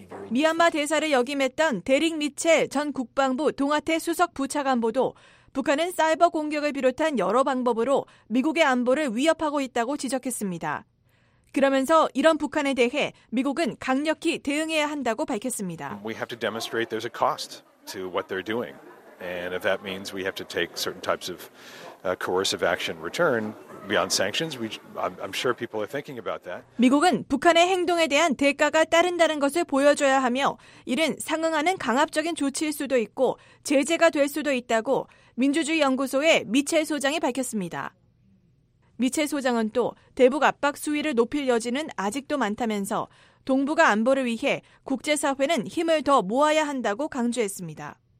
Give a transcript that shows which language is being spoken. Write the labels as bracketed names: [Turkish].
[Korean] 미얀마 대사를 역임했던 데릭 미체 전 국방부 동아태 수석 부차관보도 북한은 사이버 공격을 비롯한 여러 방법으로 미국의 안보를 위협하고 있다고 지적했습니다. 그러면서 이런 북한에 대해 미국은 강력히 대응해야 한다고 밝혔습니다. [English] We have to demonstrate there's a cost to what they're doing. And if that means we have to take certain types of coercive action return beyond sanctions, I'm sure people are thinking about that. [Korean] 미국은 북한의 행동에 대한 대가가 따른다는 것을 보여줘야 하며 이는 상응하는 강압적인 조치일 수도 있고 제재가 될 수도 있다고 민주주의 연구소의 미첼 소장이 밝혔습니다. 미체 소장은 또 대북 압박 수위를 높일 여지는 아직도 많다면서 동북아 안보를 위해 국제사회는 힘을 더 모아야 한다고 강조했습니다.